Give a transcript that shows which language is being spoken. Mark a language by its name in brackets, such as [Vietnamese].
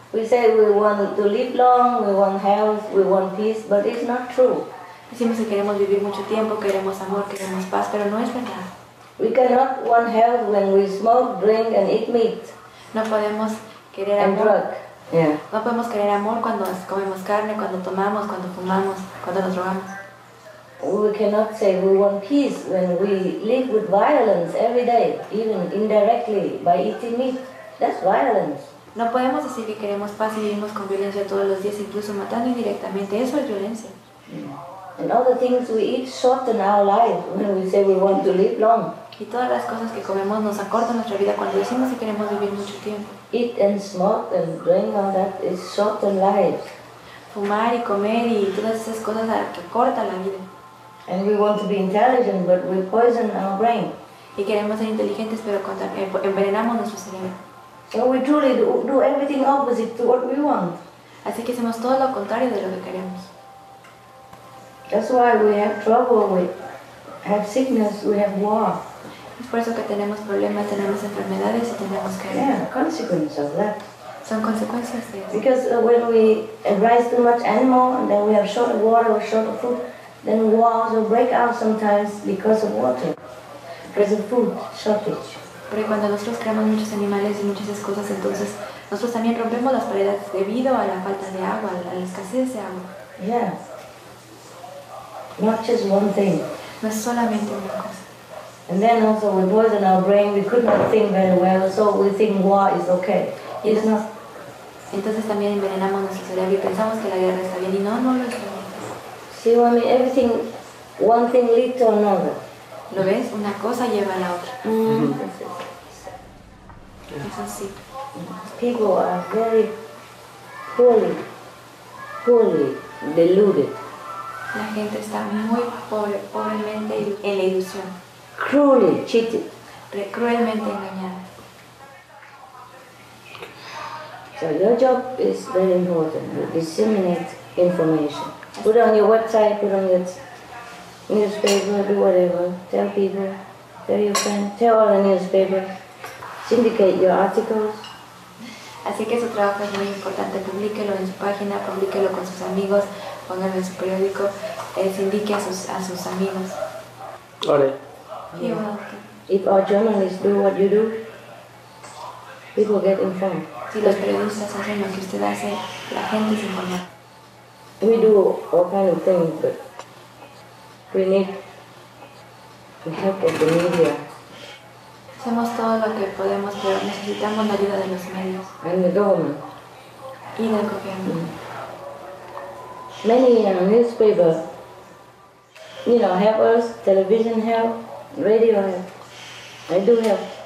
[English] We say we want to live long, we want health, we want peace, but it's not true. [Spanish] Decimos que queremos vivir mucho tiempo, queremos amor, queremos paz, pero no es verdad. [English] We cannot want health when we smoke, drink, and eat meat. [Spanish] No podemos querer [English] and [Spanish] amor. [English] Drug. Yeah. [Spanish] No podemos querer amor cuando comemos carne, cuando tomamos, cuando fumamos, cuando nos drogamos. [English] We cannot say we want peace when we live with violence every day, even indirectly, by eating meat. That's violence. [Spanish] No podemos decir que queremos paz y vivimos con violencia todos los días, incluso matando indirectamente. Eso es violencia. [English] Yeah. And all the things we eat shorten our life when we say we want to live long. [Spanish] Y todas las cosas que comemos nos acortan nuestra vida cuando decimos que queremos vivir mucho tiempo. [English] Eat and smoke and drink all that is shorten life. [Spanish] Fumar y comer y todas esas cosas que cortan la vida. [English] And we want to be intelligent, but we poison our brain. [Spanish] Y queremos ser inteligentes, pero envenenamos nuestro cerebro. [English] So we truly do everything opposite to what we want. [Spanish] Así que hacemos todo lo contrario de lo que queremos. [English] That's why we have trouble with, have sickness, we have war. [Spanish] Es por eso que tenemos problemas, tenemos enfermedades y tenemos que... [English] Consequences of that. [Spanish] Son consecuencias, [English] yes. Because when we raise too much animal, then we are short of water or short of food, then wars will break out sometimes because of water, because of food shortage. [Spanish] Porque cuando nosotros creamos muchos animales y muchas cosas, entonces nosotros también rompemos las paredes debido a la falta de agua, a la escasez de agua. [English] Yes. Not just one thing. [Spanish] No es solamente una cosa. [English] And then also we poison our brain, we could not think very well, so we think war is okay. It's not. [Spanish] Entonces también envenenamos nuestro cerebro y pensamos que la guerra está bien y no, no lo está bien. [English] See what I mean? Everything, one thing leads to another. [Spanish] ¿Lo ves? Una cosa lleva a la otra. Mm-hmm. Es así. [English] People are very poorly, poorly deluded. [Spanish] La gente está muy pobremente en la ilusión. [English] Cruelly cheated. [Spanish] Cruelmente engañada. [English] So your job is very important. You disseminate information. Put on your website, put on your newspaper, do whatever. Tell people, tell your friends, tell all the newspapers. Syndicate your articles. [Spanish] Así que su trabajo es muy importante. Publíquelo en su página, publíquelo con sus amigos, póngalo en su periódico, syndique a sus amigos. Vale. [English] Yeah. If our journalists do what you do, people get informed. [Spanish] Si los periodistas hacen lo que usted hace, la gente se informa. [English] We do all kind of things, but we need the help of the media. [Spanish] Hacemos todo lo que podemos, pero necesitamos la ayuda de los medios. [English] And the government. [Spanish] Y del gobierno. [English] Many newspapers, you know, help us. Television help. Radio, I do help.